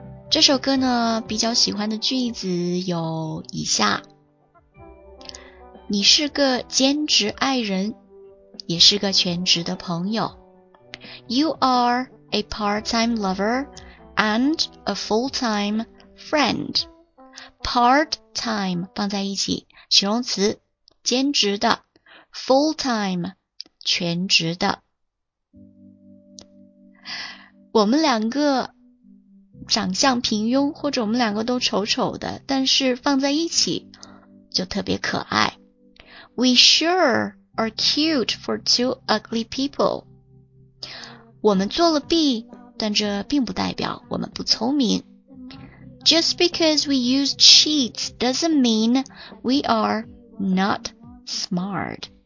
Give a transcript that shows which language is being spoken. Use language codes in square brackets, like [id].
[zh] 这首歌呢比较喜欢的句子有以下：你是个兼职爱人，也是个全职的朋友。 [en] You are a part-time lover and a full-time friend. [zh] Part-time 放在一起形容词，兼职的。 Full-time 全职的。我们两个长相平庸，或者我们两个都丑丑的，但是放在一起就特别可爱。 [en] We sure are cute for two ugly people. [zh] 我们做了 B, 但这并不代表我们不聪明。 [en] Just because we use cheats doesn't mean we are not smart.